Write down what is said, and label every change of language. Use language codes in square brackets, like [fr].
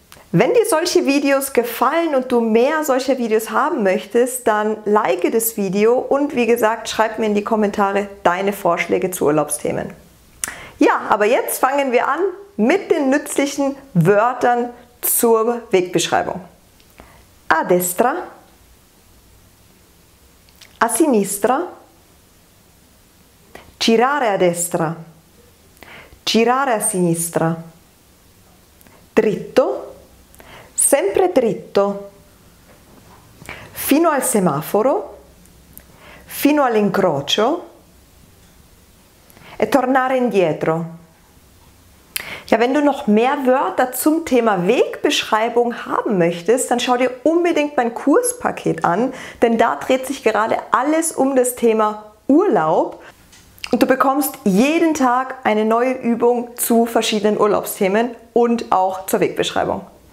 [de] Wenn dir solche Videos gefallen und du mehr solcher Videos haben möchtest, dann like das Video und wie gesagt, schreib mir in die Kommentare deine Vorschläge zu Urlaubsthemen. Ja, aber jetzt fangen wir an mit den nützlichen Wörtern zur Wegbeschreibung. [it] A destra, a sinistra, girare a destra, girare a sinistra, dritto, sempre dritto, fino al semaforo, fino all'incrocio e tornare indietro. [de] Ja, wenn du noch mehr Wörter zum Thema Wegbeschreibung haben möchtest, dann schau dir unbedingt mein Kurspaket an, denn da dreht sich gerade alles um das Thema Urlaub und du bekommst jeden Tag eine neue Übung zu verschiedenen Urlaubsthemen und auch zur Wegbeschreibung.